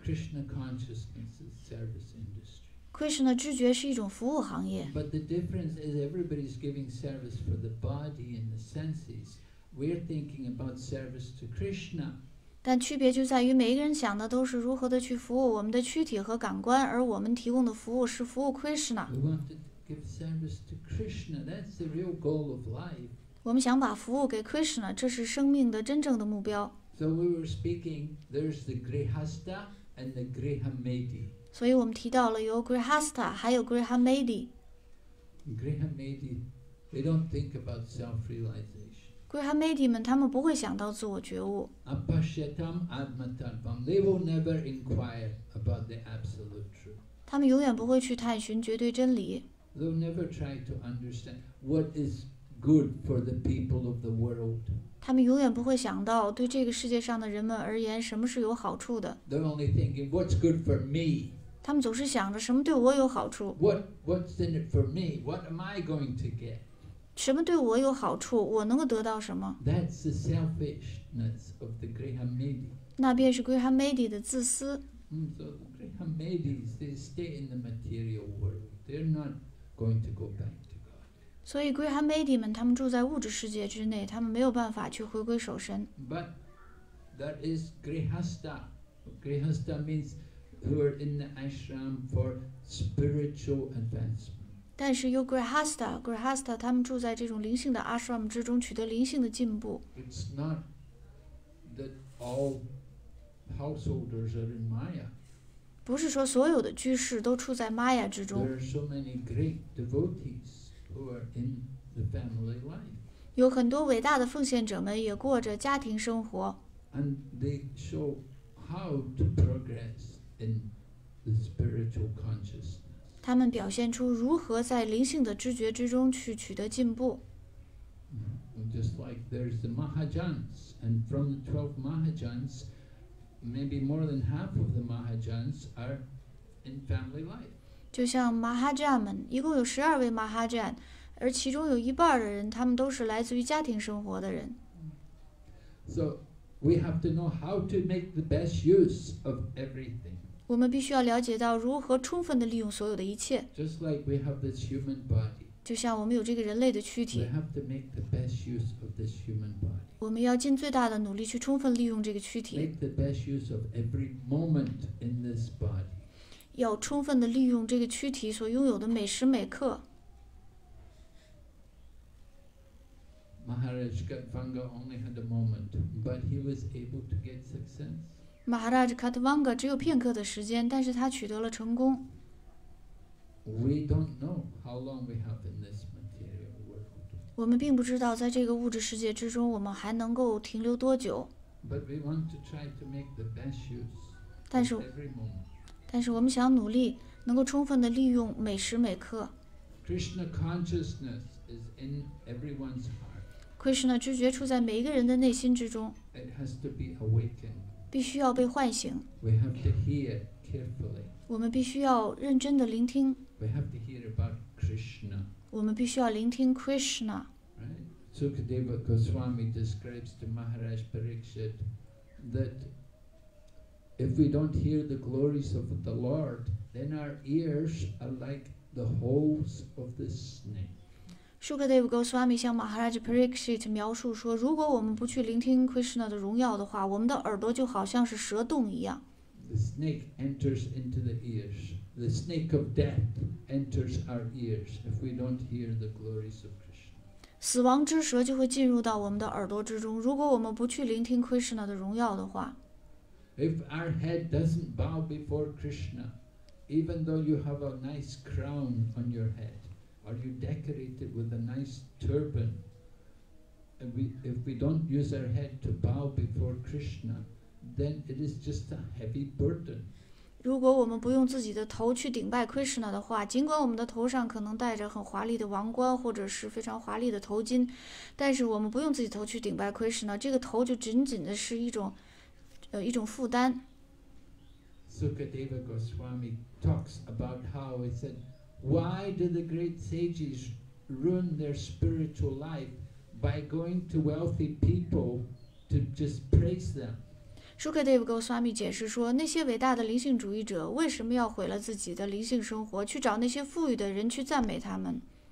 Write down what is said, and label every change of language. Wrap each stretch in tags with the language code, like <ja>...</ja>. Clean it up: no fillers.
<en>Krishna consciousness is service industry.</en> <zh>Krishna 知觉是一种服务行业。</zh> <en>But the difference is everybody is giving service for the body and the senses. We're thinking about service to Krishna.</en> <zh>但区别就在于每一个人想的都是如何的去服务我们的躯体和感官，而我们提供的服务是服务 Krishna.</zh> <en>We want to give service to Krishna. That's the real goal of life.</en> <zh>我们想把服务给 Krishna， 这是生命的真正的目标。</zh> <en>So we were speaking. There's the Grihastha and the Grihamedi.</en> <zh>所以我们提到了有 Grihastha， 还有 Grihamedi.</zh> <en>Grihamedi, they don't think about self-realization.</en> <zh>Grihamedi 们，他们不会想到自我觉悟。</zh> <sa>Apashyatam admatarvam.</sa> <en>They will never inquire about the absolute truth.</en> <zh>他们永远不会去探寻绝对真理。</zh> <en>They'll never try to understand what is good for the people of the world.</en> <zh>他们永远不会想到对这个世界上的人们而言什么是有好处的。</zh> <en>They're only thinking what's good for me。</en> <zh>他们总是想着什么对我有好处。</zh> <en>What's in it for me? What am I going to get?</en> <zh>什么对我有好处？我能够得到什么</zh> <en>？That's the selfishness of the Graham Medi。</en> <zh>那便是 Graham Medi 的自私。</zh> <en>So Graham Medi, they stay in the material world. They're not going to go back to God.</en> <zh>所以 Graham Medi 们，他们住在物质世界之内，他们没有办法去回归守神。</zh> <en>But that is Grihastha. Grihastha means who are in the ashram for spiritual advancement.</en> <zh>但是有 Grihastha 他们住在这种灵性的 ashram 之中，取得灵性的进步。</zh> <en>It's not that all householders are in Maya.</en> <zh>不是说所有的居士都处在 Maya 之中。</zh> <en>There are so many great devotees who are in the family life.</en> <zh>有很多伟大的奉献者们也过着家庭生活。</zh> <en>And they show how to progress. In the spiritual consciousness.</en> <zh>他们表现出如何在灵性的知觉之中去取得进步。</zh> <en>Just like there's the Mahajans, and from the 12 Mahajans, maybe more than half of the Mahajans are in family life.</en> <zh>就像 Mahajan 们，一共有十二位 Mahajan， 而其中有一半的人，他们都是来自于家庭生活的人。</zh> <en>So we have to know how to make the best use of everything.</en> <zh>我们必须要了解到如何充分地利用所有的一切。</zh> <en>Just like we have this human body,</en> <zh>就像我们有这个人类的躯体。</zh> <en>We have to make the best use of this human body.</en> <zh>我们要尽最大的努力去充分利用这个躯体。</zh> <en>Make the best use of every moment in this body.</en> <zh>要充分地利用这个躯体所拥有的每时每刻。</zh> <en>Maharaj Gatvanga only had a moment, but he was able to get success.</en> <zh>Maharaj Katvanga 只有片刻的时间，但是他取得了成功。</zh> <en>We don't know how long we have in this material world.</en> <zh>我们并不知道在这个物质世界之中我们还能够停留多久。</zh> <en>But we want to try to make the best use.</en> <zh>但是我们想努力能够充分地利用每时每刻。</zh> <en>Krishna consciousness is in everyone's heart.</en> <zh>Krishna 知觉处在每一个人的内心之中。</zh> <en>It has to be awakened.</en> <zh>必须要被唤醒。</zh> <en>We have to hear carefully.</en> <zh>我们必须要认真地聆听。</zh> <en>We have to hear about Krishna.</en> <zh>我们必须要聆听 Krishna.</zh> <en>Right? Sukadeva Goswami describes to Maharaj Pariksit that if we don't hear the glories of the Lord, then our ears are like the holes of the snake.</en> <zh>Sukadeva Goswami 向 Maharaj Pariksit 描述说，如果我们不去聆听 Krishna 的荣耀的话，我们的耳朵就好像是蛇洞一样。</zh> <en>The snake enters into the ears. The snake of death enters our ears if we don't hear the glories of Krishna.</en> <zh>死亡之蛇就会进入到我们的耳朵之中，如果我们不去聆听 Krishna 的荣耀的话。</zh> <en>If our head doesn't bow before Krishna, even though you have a nice crown on your head,Are you decorated with a nice turban? If we don't use our head to bow before Krishna, then it is just a heavy burden.</en> <zh>如果我们不用自己的头去顶拜 Krishna 的话，尽管我们的头上可能戴着很华丽的王冠或者是非常华丽的头巾，但是我们不用自己头去顶拜 Krishna， 这个头就仅仅的是一种负担。</zh> <en>Sukadeva Goswami talks about how he said. Why do the great sages ruin their spiritual life by going to wealthy people to just praise them?</en> <zh>Sukadeva Goswami 解释说，那些伟大的灵性主义者为什么要毁了自己的灵性生活，去找那些富裕的人去赞美他们？</zh>